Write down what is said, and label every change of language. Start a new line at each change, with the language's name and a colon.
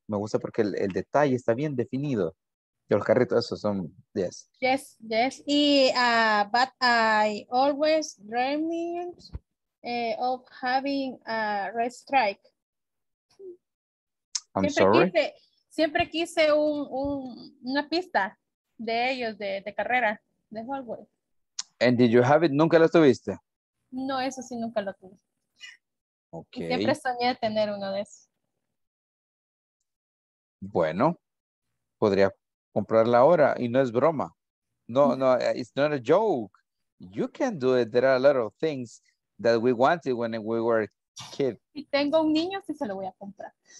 Spanish: Me gusta porque el detalle está bien definido. Los carritos esos son, yes.
English: Yes, yes. Y, but I always dreamed of having a race track.
Spanish: Siempre quise una pista de ellos, de carrera, de hardware.
English: And did you have it?
Spanish: ¿Nunca lo tuviste? No, eso sí, nunca lo tuve.
English: Okay.
Spanish: Siempre soñé tener uno de esos. Bueno, podría comprarla ahora y no es broma.
English: No, no, it's not a joke. You can do it. There are a lot of things that we wanted when we were kids.
Spanish: Si tengo un niño, sí se lo voy a comprar.